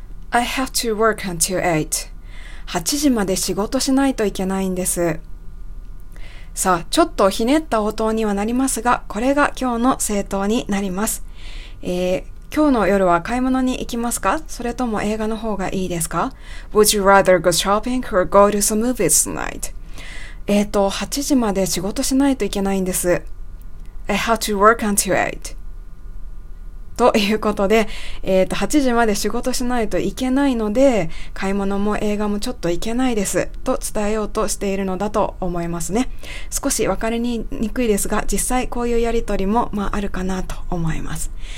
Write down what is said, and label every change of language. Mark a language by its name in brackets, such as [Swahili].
[English] I have to work until 8. [Japanese] 8時まで仕事しないといけないんです。さあ、ちょっとひねった応答にはなりますが、これが今日の正答になります。今日の夜は買い物に行きますか？それとも映画の方がいいですか？ [English] Would you rather go shopping or go to some movies tonight? [Japanese] 8時まで仕事しないといけないんです。 [English] I have to work until 8. [Japanese] ということで、8時まで仕事しないといけないので、買い物も映画もちょっといけないです。と伝えようとしているのだと思いますね。少しわかりにくいですが、実際こういうやりとりも、まあ、あるかなと思います。